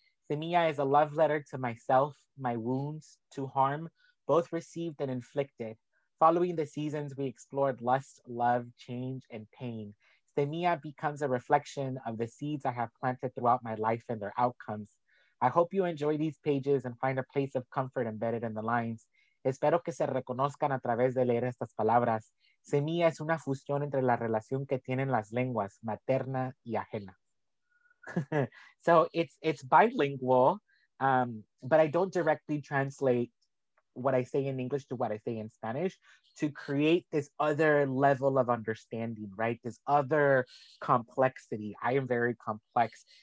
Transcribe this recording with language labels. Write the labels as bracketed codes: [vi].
[en] Simia is a love letter to myself, my wounds, to harm, both received and inflicted. Following the seasons, we explored lust, love, change, and pain. Simia becomes a reflection of the seeds I have planted throughout my life and their outcomes. I hope you enjoy these pages and find a place of comfort embedded in the lines. [es] Espero que se reconozcan a través de leer estas palabras. Semilla es una fusión entre la relación que tienen las lenguas, materna y ajena. [en] So it's bilingual, but I don't directly translate what I say in English to what I say in Spanish to create this other level of understanding, right? This other complexity. I am very complex.